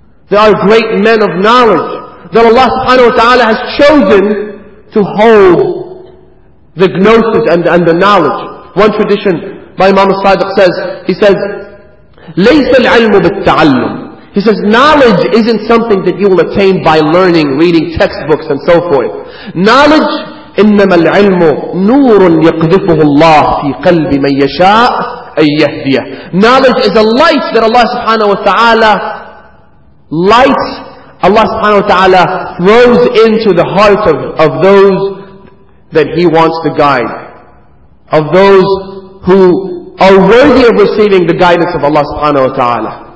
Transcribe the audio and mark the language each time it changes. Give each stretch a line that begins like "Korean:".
English: They are great men of knowledge that Allah subhanahu wa ta'ala has chosen to hold the gnosis and the knowledge. One tradition by Imam al-Sadiq says, he says,
Arabic: لَيْسَ الْعِلْمُ بِالتَّعَلُّمُ.
English: He says, knowledge isn't something that you will attain by learning, reading textbooks and so forth.
Arabic: Knowledge, إِنَّمَا الْعِلْمُ نُورٌ يَقْذِفُهُ اللَّهُ فِي قَلْبِ مَنْ يَشَاءُ أَيَّهْدِيَهُ.
English: Knowledge is a light that Allah subhanahu wa ta'ala lights, Allah subhanahu wa ta'ala throws into the heart of those that He wants to guide. Of those who are worthy of receiving the guidance of Allah subhanahu wa ta'ala.